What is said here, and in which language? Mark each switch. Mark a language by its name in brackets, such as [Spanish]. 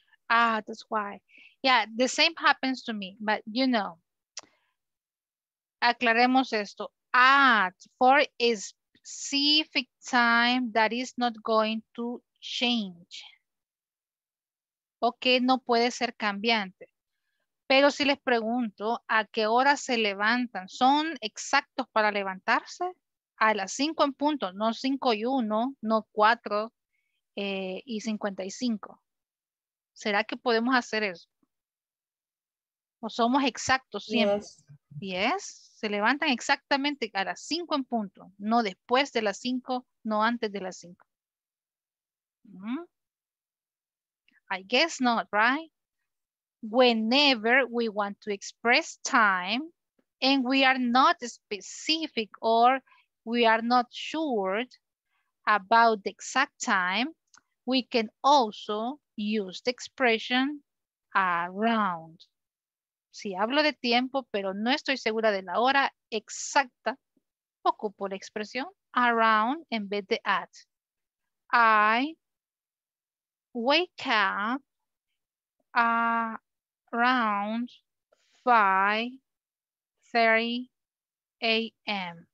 [English] Ah, that's why. Yeah, the same happens to me, but you know. [Spanish] Aclaremos esto. [English] At for a specific time that is not going to change. [Spanish] Okay, no puede ser cambiante. Pero si les pregunto a qué hora se levantan, ¿son exactos para levantarse? A las 5 en punto, no 5 y 1, no 4. Y 55. ¿Será que podemos hacer eso? ¿O somos exactos siempre? [English] Yes. Yes. [Spanish] Se levantan exactamente a las 5 en punto. No después de las 5, no antes de las 5. [English] Mm-hmm. I guess not, right? Whenever we want to express time and we are not specific or we are not sure about the exact time, we can also use the expression around. [Spanish] Si hablo de tiempo, pero no estoy segura de la hora exacta, ocupo la expresión around en vez de at. [English] I wake up around 5:30 a.m.